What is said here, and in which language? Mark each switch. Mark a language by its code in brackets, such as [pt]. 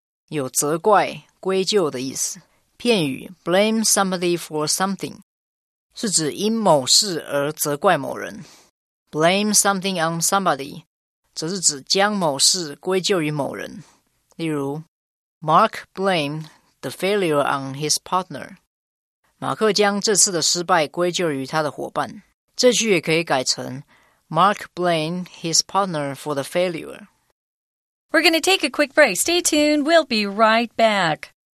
[zh] 有责怪、归咎的意思。片语 blame somebody for something, 是指因某事而责怪某人。 blame something on somebody,则是指将某事归咎于某人。例如 [en] ,Mark blamed the failure on his partner. [zh] 马克将这次的失败归咎于他的伙伴。这句也可以改成 [en] ,Mark blamed his partner for the failure. We're going to take a quick break. Stay tuned. We'll be right back.